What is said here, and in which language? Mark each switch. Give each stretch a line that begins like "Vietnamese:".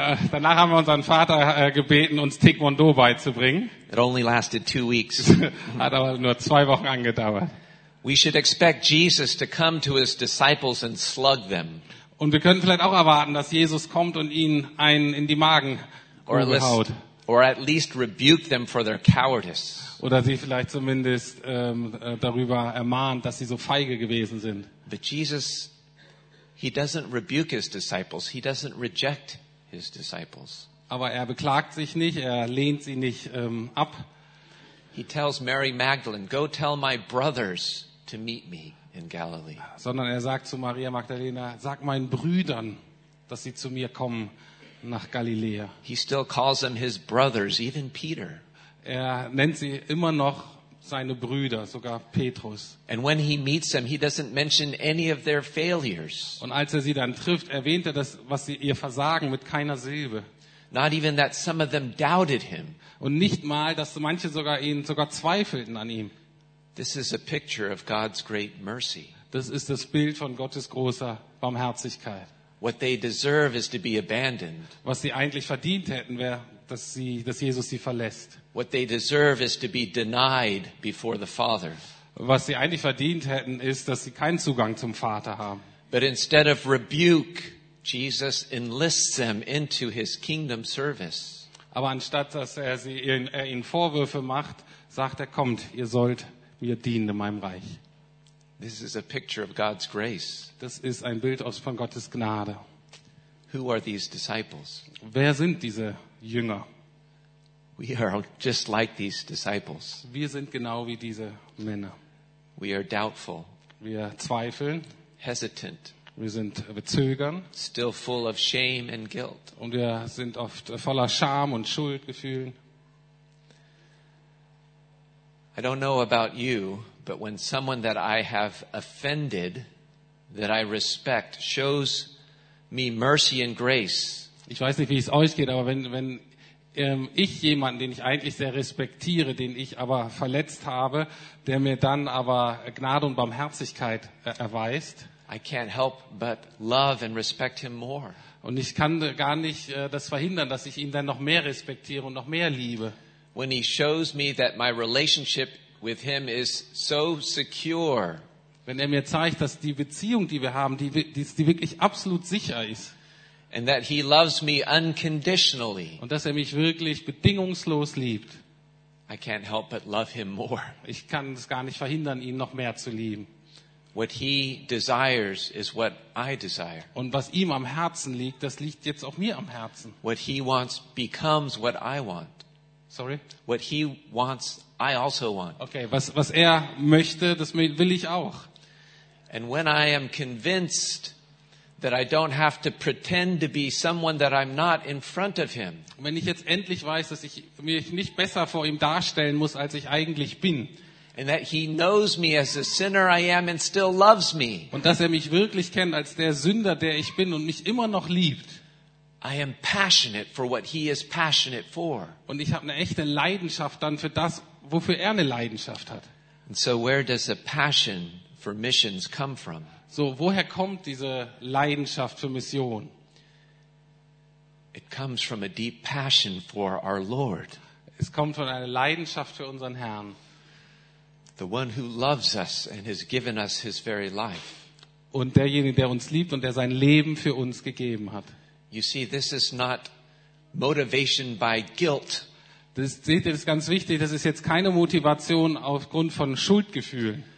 German: Danach haben wir unseren Vater gebeten, uns Taekwondo beizubringen.
English: It only lasted 2 weeks.
German: Hat aber nur 2 Wochen angedauert.
English: We should expect Jesus to come to his disciples and slug them.
German: Und wir können vielleicht auch erwarten, dass Jesus kommt und ihnen einen in die Magen haut.
English: Or at least rebuke them for their cowardice.
German: Oder sie vielleicht zumindest darüber ermahnt, dass sie so feige gewesen sind.
English: But Jesus, he doesn't rebuke his disciples. He doesn't reject his disciples.
German: Aber er beklagt sich nicht, er lehnt sie nicht ab.
English: He tells Mary Magdalene, "Go tell my brothers to meet me in Galilee."
German: Sondern er sagt zu Maria Magdalena, sag meinen Brüdern, dass sie zu mir kommen nach Galiläa.
English: He still calls them his brothers, even Peter.
German: Er nennt sie immer noch seine Brüder, sogar Petrus.
English: And when he meets them, he doesn't mention any of their failures.
German: Und als er sie dann trifft, erwähnt er das, was sie ihr versagen, mit keiner Silbe.
English: Not even that some of them doubted him.
German: Und nicht mal, dass manche sogar ihn sogar zweifelten an ihm.
English: This is a picture of God's great mercy.
German: Das ist das Bild von Gottes großer Barmherzigkeit.
English: What they deserve is to be abandoned.
German: Was sie eigentlich verdient hätten, wäre, dass Jesus sie verlässt.
English: What they deserve is to be denied before the Father.
German: Was sie eigentlich verdient hätten, ist, dass sie keinen Zugang zum Vater haben.
English: But instead of rebuke, Jesus enlists them into his kingdom service.
German: Aber anstatt dass er ihnen Vorwürfe macht, sagt er, kommt, ihr sollt mir dienen in meinem Reich.
English: This is a picture of God's grace.
German: Das ist ein Bild von Gottes Gnade.
English: Who are these disciples?
German: Wer sind diese Jünger?
English: We are just like these disciples.
German: Wir sind genau wie diese Männer.
English: We are doubtful.
German: Wir zweifeln.
English: Hesitant.
German: Wir sind zögern.
English: Still full of shame and guilt.
German: Und wir sind oft voller Scham und Schuldgefühlen.
English: I don't know about you. But when someone that I have offended, that I respect, shows me mercy and grace.
German: Ich weiß nicht, wie es euch geht, aber wenn ich jemanden, den ich eigentlich sehr respektiere, den ich aber verletzt habe, der mir dann aber Gnade und Barmherzigkeit erweist,
English: I can't help but love and respect him more.
German: Und ich kann gar nicht das verhindern, dass ich ihn dann noch mehr respektiere und noch mehr liebe.
English: When he shows me that my relationship with him is so secure.
German: Wenn mir zeigt, dass die Beziehung, die wir haben, die wirklich absolut sicher ist.
English: And that he loves me unconditionally.
German: Und dass mich wirklich bedingungslos liebt.
English: I can't help but love him more.
German: Ich kann es gar nicht verhindern, ihn noch mehr zu lieben.
English: What he desires is what I desire.
German: Und was ihm am Herzen liegt, das liegt jetzt auch mir am Herzen.
English: What he wants becomes what I want. Sorry? What he wants, I also want.
German: Okay, was er möchte, das will ich auch.
English: And when I am convinced that I don't have to pretend to be someone that I'm not in front of him.
German: Wenn ich jetzt endlich weiß, dass ich mich nicht besser vor ihm darstellen muss, als ich eigentlich bin.
English: And that he knows me as a sinner I am and still loves me.
German: Und dass mich wirklich kennt als der Sünder, der ich bin und mich immer noch liebt.
English: I am passionate for what he is passionate for.
German: Und ich habe eine echte Leidenschaft dann für das, wofür er eine Leidenschaft hat.
English: And so where does a passion for missions come from?
German: So woher kommt diese Leidenschaft für Mission?
English: It comes from a deep passion for our Lord.
German: Es kommt von einer Leidenschaft für unseren Herrn.
English: The one who loves us and has given us his very life.
German: Und derjenige, der uns liebt und der sein Leben für uns gegeben hat.
English: You see, this is not motivation by guilt.
German: Das, seht ihr, das ist ganz wichtig. Das ist jetzt keine Motivation aufgrund von Schuldgefühlen.